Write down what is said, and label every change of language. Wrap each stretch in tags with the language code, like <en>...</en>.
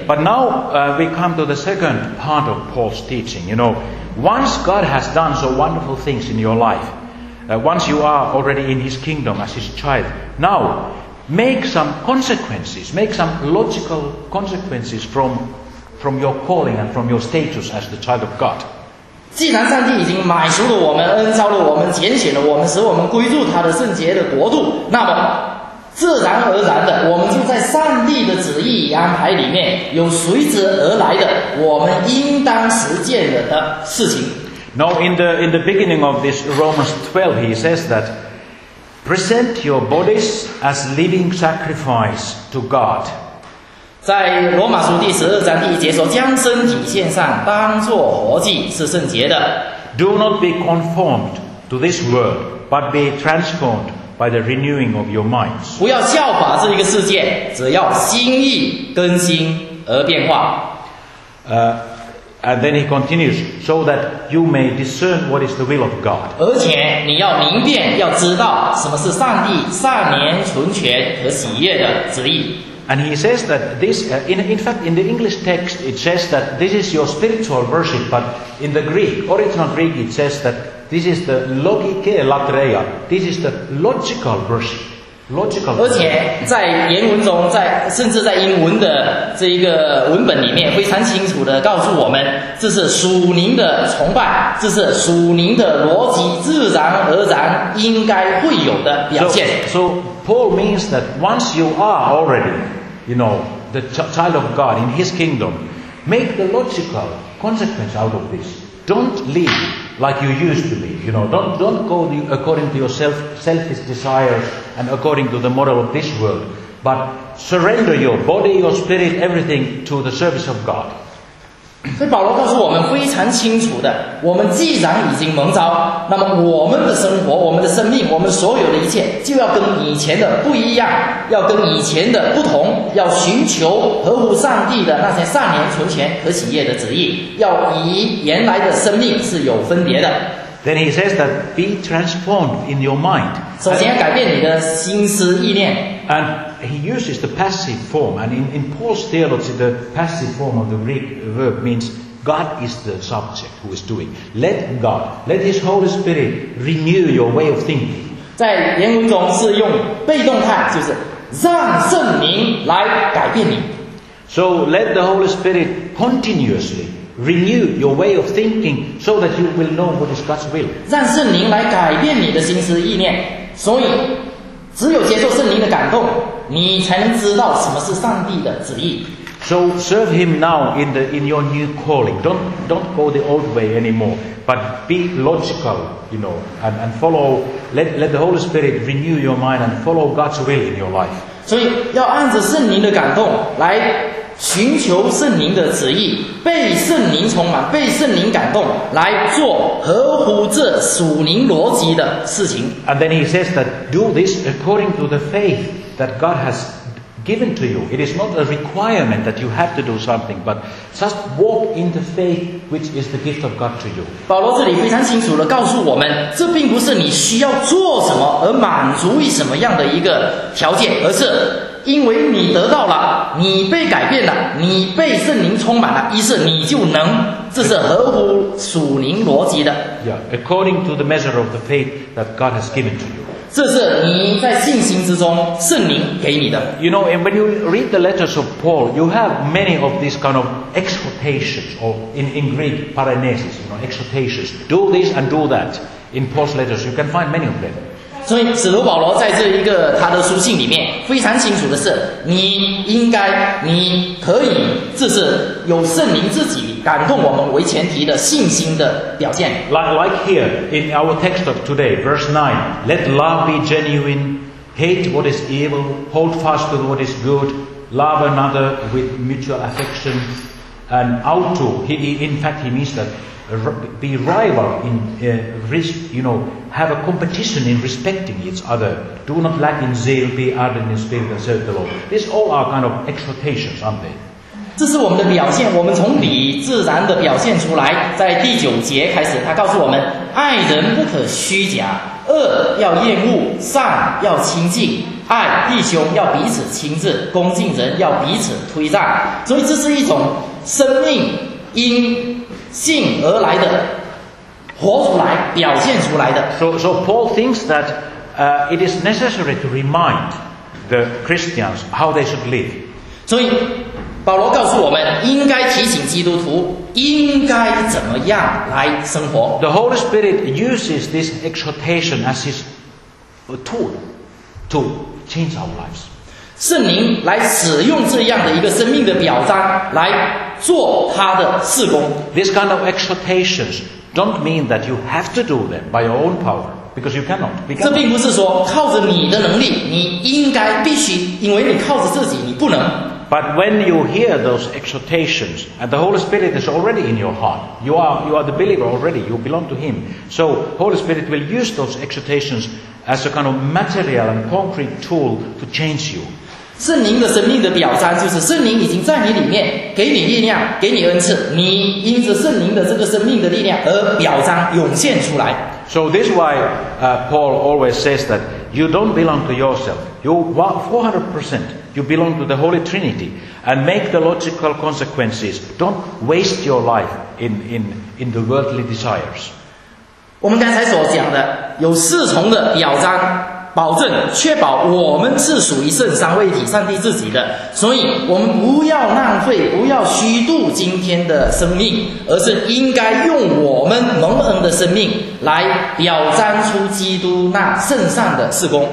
<en>But now, we come to the second part of Paul's teaching. You know, once God has done so wonderful things in your life, once you are already in his kingdom as his child, now make some consequences, make some logical consequences from your calling and from your status as the child of God.</en> <zh>既然上帝已经买赎了我们，恩召了我们，拣选了我们，使我们归入他的圣洁的国度，那么自然而然的，我们就在上帝的旨意与安排里面，有随之而来的我们应当实践的事情。</zh> <en>Now in the beginning of this Romans 12, he says that present your bodies as living sacrifice to God.</en> <zh>在罗马书第十二章第一节说，将身体献上当作活祭是圣洁的。</zh> <en>Do not be conformed to this world, but be transformed by the renewing of your minds.</en> <zh>不要效法这一个世界，只要心意更新而变化。</zh> <en>And then he continues, so that you may discern what is the will of God.</en> <zh>而且你要明辨，要知道什么是上帝善良纯全和喜悦的旨意。</zh> <en>And he says that this, in fact, in the English text, it says that this is your spiritual worship, but in the Greek, original Greek, it says that this is the</en> <el>logike latreia,</el> <en>this is the logical worship. Logical worship.</en> <zh>而且在原文中，在甚至在英文的这一个文本里面，非常清楚地告诉我们，这是属灵的崇拜，这是属灵的逻辑，自然而然应该会有的表现。</zh> <en>So, Paul means that once you are already, you know, the child of God in his kingdom, make the logical consequence out of this. Don't live like you used to live, you know, don't go according to your selfish desires and according to the model of this world, but surrender your body, your spirit, everything to the service of God.</en> <zh>所以保罗告诉我们非常清楚的，我们既然已经蒙召，那么我们的生活，我们的生命，我们所有的一切就要跟以前的不一样，要跟以前的不同，要寻求合乎上帝的那些善良纯全和喜悦的旨意，要与原来的生命是有分别的。</zh> <en>Then he says that be transformed in your mind.</en> <zh>首先要改变你的心思意念。</zh> <en>AndHe uses the passive form, and in Paul's theology, the passive form of the Greek verb means God is the subject who is doing. Let God, let His Holy Spirit renew your way of thinking.</en> <zh>在原文中是用被动态，就是让圣灵来改变你。</zh> <en>So let the Holy Spirit continuously renew your way of thinking, so that you will know what is God's will.</en> <zh>让圣灵来改变你的心思意念，所以只有接受圣灵的感动，你才能知道什么是上帝的旨意。</zh> <en>So serve him now in your new calling. Don't go the old way anymore, but be logical, you know, and follow, let the Holy Spirit renew your mind and follow God's will in your life.</en> <zh>所以要按着圣灵的感动来寻求圣灵的旨意，被圣灵充满，被圣灵感动，来做合乎这属灵逻辑的事情。</zh> <en>And then he says that do this according to the faith that God has given to you. It is not a requirement that you have to do something, but just walk in the faith which is the gift of God to you.</en> <zh>保罗这里非常清楚地告诉我们，这并不是你需要做什么而满足于什么样的一个条件，而是因为你得到了，你被改变了，你被圣灵充满了，于是你就能，这是合乎属灵逻辑的。</zh> <en>Yeah, according to the measure of the faith that God has given to you.</en> <zh>这是你在信心之中圣灵给你的。</zh> <en>You know, and when you read the letters of Paul, you have many of these kind of exhortations, or in Greek, paranesis, you know, exhortations. Do this and do that. In Paul's letters, you can find many of them.</en> <zh>所以使徒保罗在这一个他的书信里面非常清楚的是，你应该，你可以，这是有圣灵自己感动我们为前提的信心的表现。</zh> <en>Like here in our text of today, verse 9, let love be genuine, hate what is evil, hold fast to what is good, love another with mutual affection, and outdo, in fact he means thatbe rival in risk, you know, have a competition in respecting each other. Do not lack in zeal, be ardent in spirit, and serve the Lord. These all are kind of exhortations, aren't they?</en> <zh>这是我们的表现，我们从理自然的表现出来。在第九节开始，他告诉我们，爱人不可虚假，恶要厌恶，善要亲近。爱弟兄要彼此亲自，恭敬人要彼此推让。所以这是一种生命因信而来的，活出来，表现出来的。</zh> <en>So Paul thinks that it is necessary to remind the Christians how they should live.</en> <zh>所以保罗告诉我们，应该提醒基督徒应该怎么样来生活。</zh> <en>The Holy Spirit uses this exhortation as his tool to change our lives.</en> <zh>圣灵来使用这样的一个生命的表彰来做他的事工。</zh> <en>These kind of exhortations don't mean that you have to do them by your own power, because you cannot.</en> <zh>这并不是说靠着你的能力，你应该必须，因为你靠着自己你不能。</zh> <en>But when you hear those exhortations and the Holy Spirit is already in your heart, you are the believer already, you belong to him. So Holy Spirit will use those exhortations as a kind of material and concrete tool to change you.</en> <zh>圣灵的生命的表彰就是圣灵已经在你里面给你力量，给你恩赐，你因着圣灵的这个生命的力量而表彰涌现出来。</zh> <en>So this is why Paul always says that you don't belong to yourself, you 400% you belong to the Holy Trinity, and make the logical consequences, don't waste your life in the worldly desires.</en> <zh>我们刚才所讲的有四重的表彰保证，确保我们是属于圣三位体上帝自己的，所以我们不要浪费，不要虚度今天的生命，而是应该用我们蒙恩的生命来表彰出基督那圣善的事工。</zh>